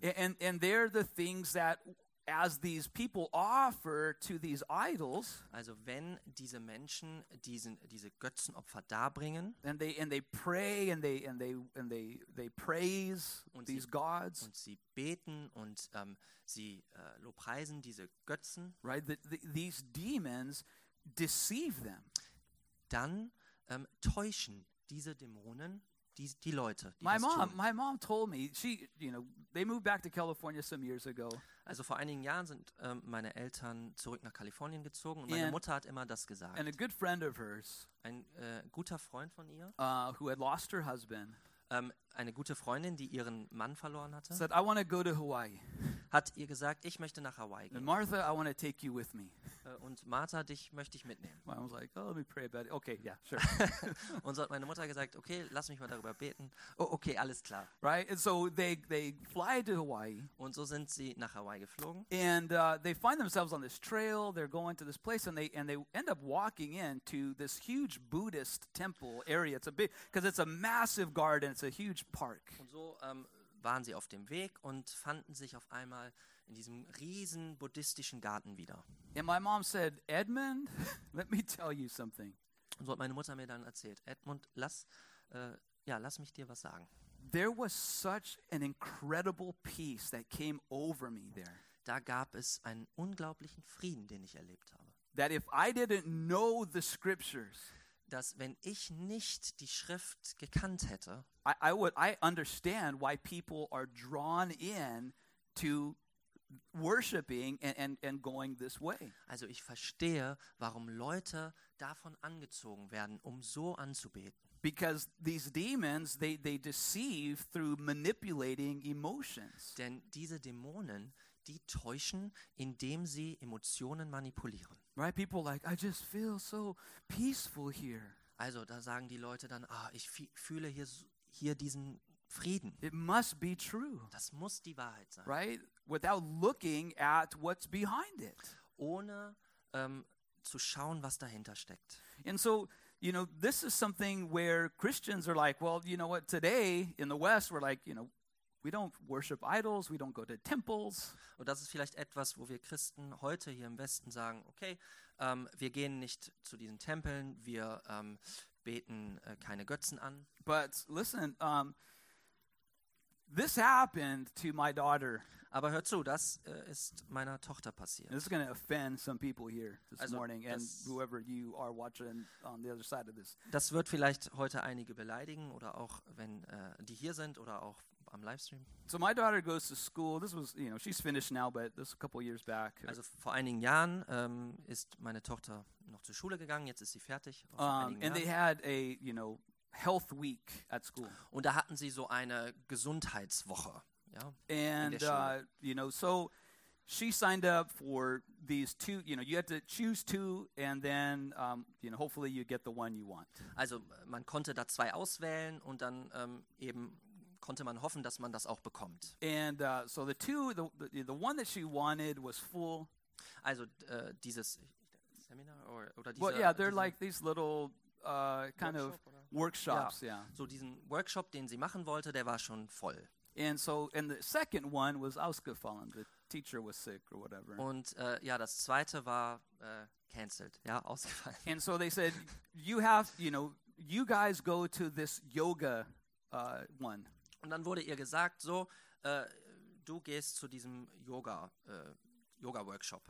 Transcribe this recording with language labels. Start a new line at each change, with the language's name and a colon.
English: And they're the things that as these people offer to these idols,
German: also wenn diese Menschen diese Götzenopfer darbringen,
English: and they pray and they praise these gods,
German: und sie beten und sie lobpreisen diese Götzen,
English: right? These demons deceive them.
German: Dann täuschen diese Dämonen die Leute.
English: My mom told me, she, you know, they moved back to California some years ago.
German: Also vor einigen Jahren sind meine Eltern zurück nach Kalifornien gezogen und meine Mutter hat immer das gesagt.
English: And a good friend of hers,
German: ein guter Freund von ihr,
English: who had lost her husband,
German: eine gute Freundin, die ihren Mann verloren hatte,
English: said, I wanna go to Hawaii.
German: Hat ihr gesagt, ich möchte nach Hawaii gehen.
English: And Martha, I wanna take you with me.
German: Und Martha, dich möchte ich mitnehmen.
English: I was like, oh, let me pray about it. Okay, yeah, sure.
German: Und so hat meine Mutter gesagt, okay, lass mich mal darüber beten. Oh, okay, alles klar.
English: Right? And so they fly to Hawaii.
German: Und so sind sie nach Hawaii geflogen.
English: And they find themselves on this trail. They're going to this place and they end up walking into this huge Buddhist temple area. It's a big, because it's a massive garden. It's a huge park.
German: Und so waren sie auf dem Weg und fanden sich auf einmal in diesem riesen buddhistischen Garten wieder.
English: And my mom said, Edmund, let me tell you something.
German: Und so hat meine Mutter mir dann erzählt, Edmund, lass mich dir was sagen.
English: There was such an incredible peace that came over me there.
German: Da gab es einen unglaublichen Frieden, den ich erlebt habe.
English: That if I didn't know the scriptures,
German: dass wenn ich nicht die Schrift gekannt hätte,
English: I understand why people are drawn in to worshiping and going this way.
German: Also ich verstehe, warum Leute davon angezogen werden, um so anzubeten.
English: Because these demons, they deceive through manipulating emotions.
German: Denn diese Dämonen, die täuschen, indem sie Emotionen manipulieren.
English: Right, people like, I just feel so peaceful here.
German: Also da sagen die Leute dann, ich fühle hier diesen Frieden.
English: It must be true.
German: Das muss die Wahrheit sein.
English: Right? Without looking at what's behind it.
German: Ohne zu schauen, was dahinter steckt.
English: And so, you know, this is something where Christians are like, well, you know what, today in the West, we're like, you know, we don't worship idols, we don't go to temples.
German: Und das ist vielleicht etwas, wo wir Christen heute hier im Westen sagen, okay, wir gehen nicht zu diesen Tempeln, wir beten keine Götzen an.
English: But listen, this happened to my daughter.
German: Aber hör zu, das ist meiner Tochter passiert.
English: This is going to offend some people here this morning and whoever you are watching on the other side of this.
German: Das wird vielleicht heute einige beleidigen oder auch wenn die hier sind oder auch am Livestream.
English: So my daughter goes to school. This was, you know, she's finished now, but this was a couple years back.
German: Also vor einigen Jahren ist meine Tochter noch zur Schule gegangen. Jetzt ist sie fertig.
English: And they had a, you know, health week at school.
German: Und da hatten sie so eine Gesundheitswoche. Ja,
English: and you know, so she signed up for these two. You know, you had to choose two, and then you know, hopefully you get the one you want.
German: Also man konnte da zwei auswählen und dann eben konnte man hoffen, dass man das auch bekommt.
English: And so the two, the one that she wanted was full.
German: Also dieses Seminar oder diese.
English: Well, yeah, they're like these little kind workshop of workshops. Ja. Yeah.
German: So diesen Workshop, den sie machen wollte, der war schon voll.
English: And so, and the second one was ausgefallen. The teacher was sick or whatever.
German: Und ja, das zweite war canceled. Ja, ausgefallen.
English: And so they said, you have, you know, you guys go to this yoga one.
German: Und dann wurde ihr gesagt, so, du gehst zu diesem Yoga Workshop.